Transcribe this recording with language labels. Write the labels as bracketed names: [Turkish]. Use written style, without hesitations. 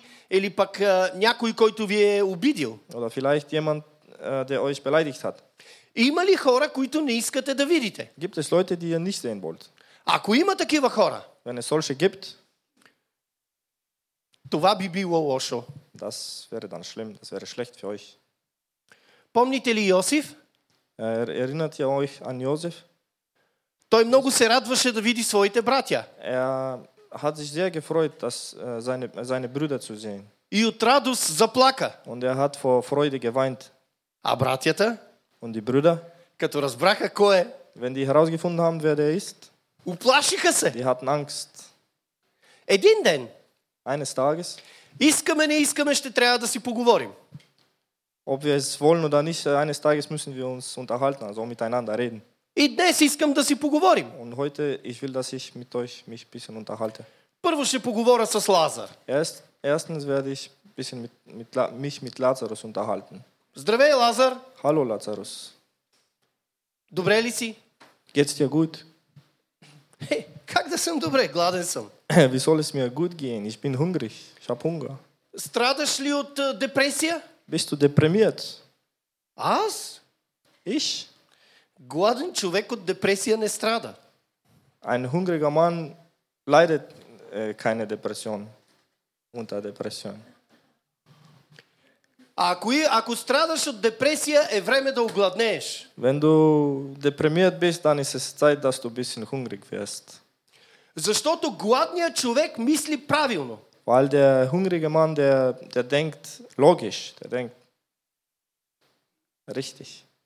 [Bulgarian] Или пък някой, който ви е обидил. [German] Oder vielleicht jemand, der euch beleidigt hat. [Bulgarian] Има ли хора, които не искате да видите? [German] Gibt es Leute, die ihr nicht sehen wollt? [Bulgarian] Ако има такива хора, [German] wenn es solche gibt, [Bulgarian] това би било лошо. [German] Das wäre dann schlimm, das wäre schlecht für euch. [Bulgarian] Помните ли Йосиф? [German] Erinnert ihr euch an Josef? [Bulgarian] Той много се радваше да види своите братя. [German] Er hat sich sehr gefreut, dass seine Brüder zu sehen. [Bulgarian] И от радост заплака. [German] Und er hat vor Freude geweint. [Bulgarian] А братята? [German] Und die Brüder? [Bulgarian] Като разбраха кой е? [German] Wenn die herausgefunden haben, wer der ist. [Bulgarian] Уплашиха се. [German] Die hatten Angst. [Bulgarian] Един ден. [German] Eines Tages. [Bulgarian] Искаме, не искаме, ще трябва да си поговорим. [German] Ob wir es wollen oder nicht, eines Tages müssen wir uns unterhalten, also miteinander reden. [Bulgarian] И днес искам да си поговорим. [German] Und heute, ich will, dass ich mit euch mich ein bisschen unterhalte. [Bulgarian] Първо ще поговоря с Лазар. [German] Erstens werde ich ein bisschen mit Lazarus unterhalten. [Bulgarian] Здравей, Лазар. [German] Hallo, Lazarus. [Bulgarian] Добре ли си? [German] Geht's dir gut? [Bulgarian] Как да съм добре? Гладен съм. [German] Wie soll es mir gut gehen? Ich bin hungrig. Ich habe Hunger. [Bulgarian] Страдаш ли от депресия? [German] Bist du deprimiert? [Bulgarian] Аз? [German] Ich? [Bulgarian] Гладен човек от депресия не страда. [German] Ein hungriger Mann leidet keine Depression. Unter Depression. [Bulgarian] Ако страдаш от депресия, е време да огладнееш. [German] Wenn du deprimiert bist, dann ist es Zeit, dass du ein bisschen hungrig wirst. [Bulgarian] Защото гладният човек мисли правилно. [German] Weil der hungrige Mann, der denkt logisch, der denkt richtig.